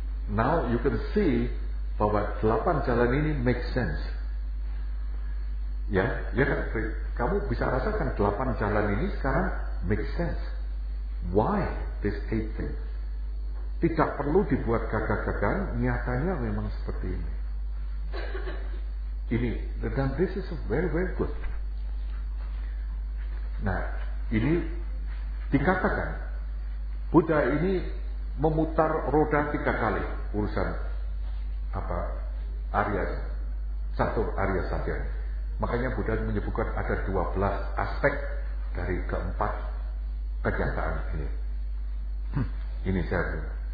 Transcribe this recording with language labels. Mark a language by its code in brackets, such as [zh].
[en] Now you can see [id] bahwa 8 jalan ini [en] make sense. [id] Ya kan? Kamu bisa rasakan 8 jalan ini sekarang [en] make sense. Why this 8 thing? [id] Tidak perlu dibuat gagah-gagah, nyatanya memang seperti ini. Ini, dan [en] this is very very good. [id] Nah, ini dikatakan Buddha ini memutar roda 3 kali urusan apa Arya satu area saja. Makanya Buddha menyebutkan ada 12 aspek dari keempat kenyataan ini. Ini saya ambil.